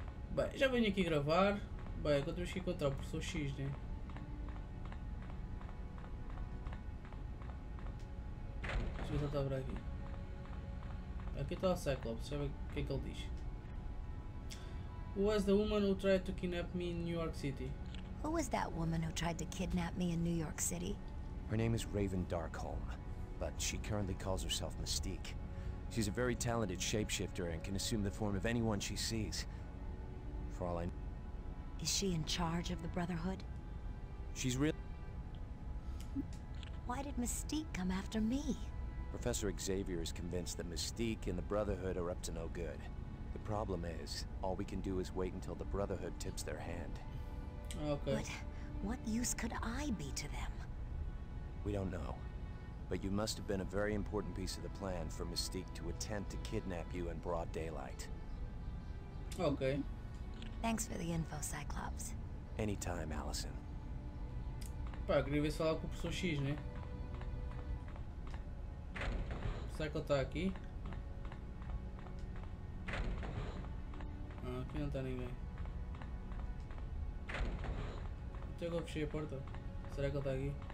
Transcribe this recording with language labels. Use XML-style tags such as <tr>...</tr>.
<pt>Bem, já venho aqui gravar. Bem, agora temos que encontrar o professor X, né? Deixa eu ver se ele está por aqui. Aqui está o Cyclops, deixa eu ver o que é que ele diz.</pt> <en>Who was the woman who tried to kidnap me in New York City? Who was that woman who tried to kidnap me in New York City? Her name is Raven Darkholm, but she currently calls herself Mystique. She's a very talented shapeshifter and can assume the form of anyone she sees. For all I know. Is she in charge of the Brotherhood? She's real. Why did Mystique come after me? Professor Xavier is convinced that Mystique and the Brotherhood are up to no good. The problem is, all we can do is wait until the Brotherhood tips their hand. Okay. But what use could I be to them? We don't know. But you must have been a very important piece of the plan for Mystique to attempt to kidnap you in broad daylight. Okay. Thanks for the info, Cyclops. Anytime, Allison.</en> <pt>Pá, eu queria ver se falar com o professor X, né? Será que ele está aqui? Ah, aqui não está ninguém. Até agora fechei a porta. Será que ele está aqui?</pt>